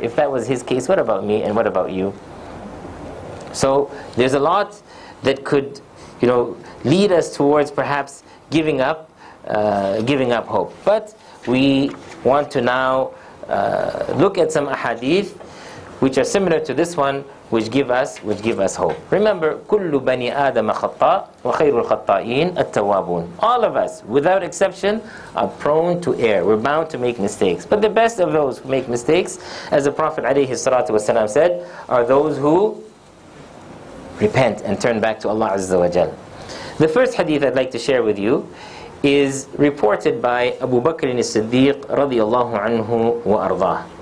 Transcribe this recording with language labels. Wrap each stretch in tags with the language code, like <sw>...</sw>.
<en>If that was his case, what about me and what about you? So there's a lot that could, you know, lead us towards perhaps giving up hope. But we want to now look at some ahadith which are similar to this one, which give us hope.</en> <ar>Remember, كل بني آدم خطاء وخير الخطائين التوابون.</ar> <en>All of us, without exception, are prone to err. We're bound to make mistakes. But the best of those who make mistakes, as the Prophet</en> <ar>عليه الصلاة والسلام</ar> <en>said, are those who repent and turn back to Allah Azza wa Jal. The first hadith I'd like to share with you is reported by Abu Bakr as-Siddiq radiyallahu anhu wa ardah.</en>